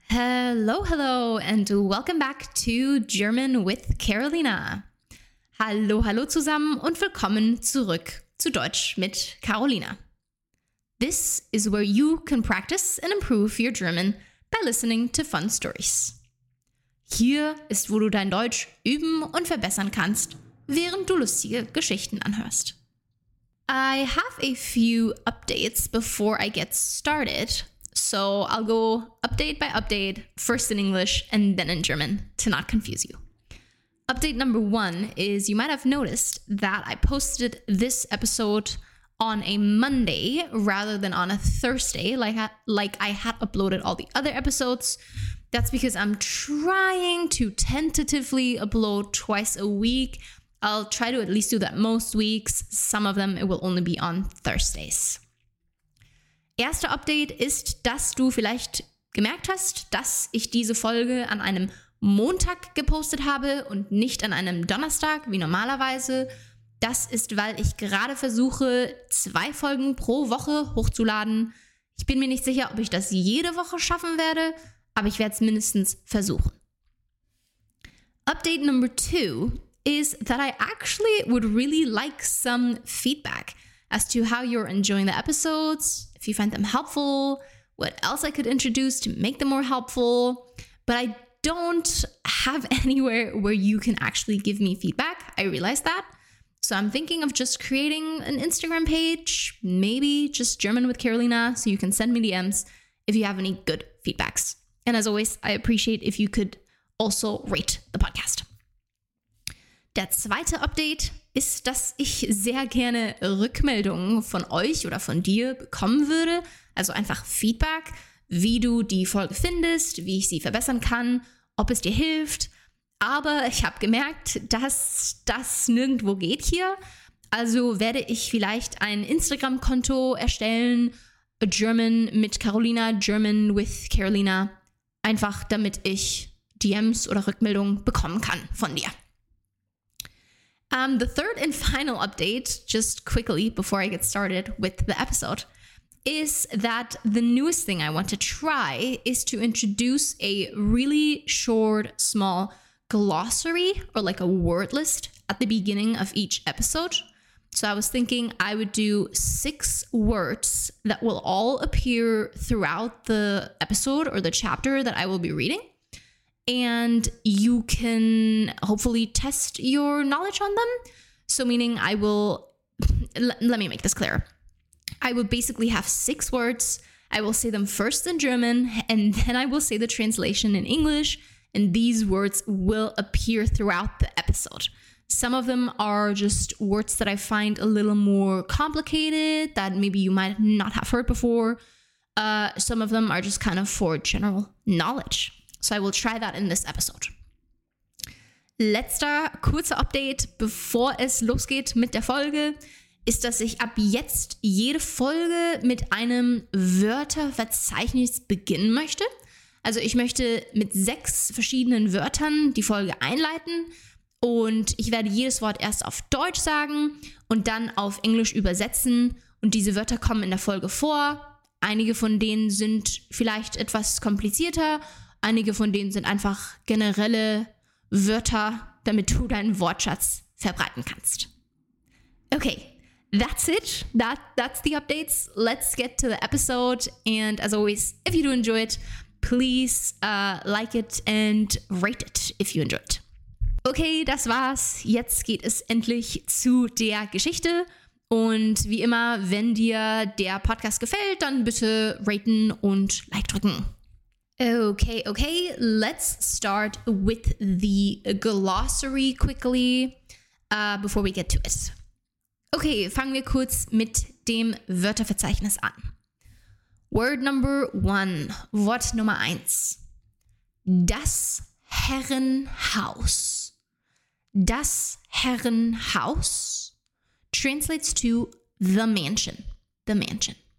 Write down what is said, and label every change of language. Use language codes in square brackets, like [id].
[en] Hello, hello, and welcome back to German with Carolina. [de] Hallo, hallo zusammen und willkommen zurück zu Deutsch mit Carolina. [en] This is where you can practice and improve your German by listening to fun stories. [de] Hier ist, wo du dein Deutsch üben und verbessern kannst, während du lustige Geschichten anhörst. [en] I have a few updates before I get started, so I'll go update by update, first in English and then in German, to not confuse you. Update number one is you might have noticed that I posted this episode on a Monday rather than on a Thursday, like I had uploaded all the other episodes. That's because I'm trying to tentatively upload twice a week. I'll try to at least do that most weeks. Some of them, it will only be on Thursdays. [de] Erster Update ist, dass du vielleicht gemerkt hast, dass ich diese Folge an einem Montag gepostet habe und nicht an einem Donnerstag, wie normalerweise. Das ist, weil ich gerade versuche, 2 Folgen pro Woche hochzuladen. Ich bin mir nicht sicher, ob ich das jede Woche schaffen werde, aber ich werde es mindestens versuchen. [en] Update number 2 is that I actually would really like some feedback as to how you're enjoying the episodes, if you find them helpful, what else I could introduce to make them more helpful. But I don't have anywhere where you can actually give me feedback. I realize that. So I'm thinking of just creating an Instagram page, maybe just German with Carolina, so you can send me DMs if you have any good feedbacks. And as always, I appreciate if you could also rate the podcast. [de] Der zweite Update ist, dass ich sehr gerne Rückmeldungen von euch oder von dir bekommen würde. Also einfach Feedback, wie du die Folge findest, wie ich sie verbessern kann, ob es dir hilft. Aber ich habe gemerkt, dass das nirgendwo geht hier. Also werde ich vielleicht ein Instagram-Konto erstellen, German mit Carolina, German with Carolina. Einfach damit ich DMs oder Rückmeldungen bekommen kann von dir. [en] The third and final update, just quickly before I get started with the episode, is that the newest thing I want to try is to introduce a really short, small glossary or like a word list at the beginning of each episode. So I was thinking I would do 6 words that will all appear throughout the episode or the chapter that I will be reading. And you can hopefully test your knowledge on them. So meaning I will, let me make this clear. I will basically have 6 words. I will say them first in German, and then I will say the translation in English. And these words will appear throughout the episode. Some of them are just words that I find a little more complicated that maybe you might not have heard before. Some of them are just kind of for general knowledge. So I will try that in this episode. [de] Letzter kurzer Update, bevor es losgeht mit der Folge, ist, dass ich ab jetzt jede Folge mit einem Wörterverzeichnis beginnen möchte. Also ich möchte mit 6 verschiedenen Wörtern die Folge einleiten und ich werde jedes Wort erst auf Deutsch sagen und dann auf Englisch übersetzen und diese Wörter kommen in der Folge vor. Einige von denen sind vielleicht etwas komplizierter. Einige von denen sind einfach generelle Wörter, damit du deinen Wortschatz verbreiten kannst. [en] Okay, that's it. That's the updates. Let's get to the episode. And as always, if you do enjoy it, please like it and rate it if you enjoy it. [de] Okay, das war's. Jetzt geht es endlich zu der Geschichte. Und wie immer, wenn dir der Podcast gefällt, dann bitte raten und like drücken. [en] Okay, let's start with the glossary quickly, before we get to it. [de] Okay, fangen wir kurz mit dem Wörterverzeichnis an. [en] Word number 1, [de] Wort Nummer 1. Das Herrenhaus. [en] Das Herrenhaus translates to the mansion. The mansion.